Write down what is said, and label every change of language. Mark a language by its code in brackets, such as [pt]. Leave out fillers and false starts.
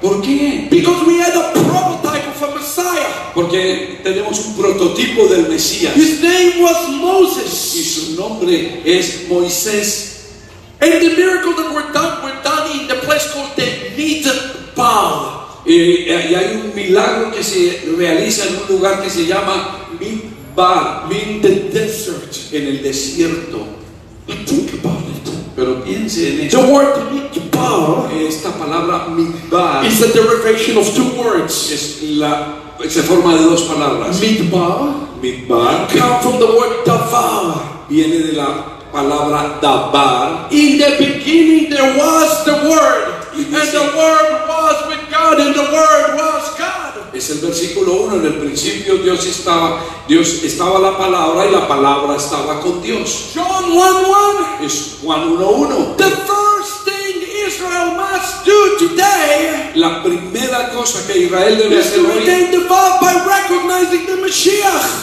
[es] ¿Por qué? [en] Because we had a prototype of a Messiah. [es] Porque tenemos un prototipo del Mesías. [en] His name was Moses. [es] Y su nombre es Moisés. [en] And the miracles that were done in the place called the Midbar. [es] Y hay un milagro que se realiza en un lugar que se llama Midbar, [en] in the desert, [es] en el desierto. [en] But think about it. [es] Pero piense en eso. [en] The word Midbar, [es] esta palabra Midbar, [en] is a derivation of two words. [es] Es la se forma de dos palabras. [en] Midbar, [es] Midbar, [en] comes from the word Davar, [es] viene de la palabra Davar. [en] In the beginning there was the word, and the word was with God, and the word was God. [es] Es el versículo 1. En el principio Dios estaba la palabra, y la palabra estaba con Dios. [en] John 1:1. [es] Es Juan 1:1. [en] The first thing Israel must do today, [es] la primera cosa que Israel debe [en] is [es] hacer [en] to identify by recognizing the Messiah.